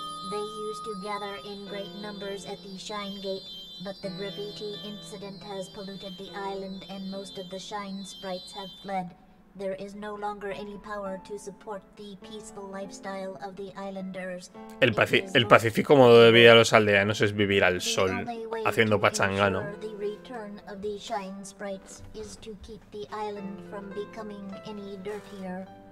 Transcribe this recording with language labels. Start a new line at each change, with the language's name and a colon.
English: They used to gather in great numbers at the Shine Gate. But the graffiti incident has polluted the island and most of the Shine Sprites have fled. There is no longer any power to support the peaceful lifestyle of the islanders.
Spanish: El pacífico modo de vida de los aldeanos es vivir al sol, haciendo pachanga, ¿no?
English: The return of the Shine Sprites is to keep the island from becoming any dirtier.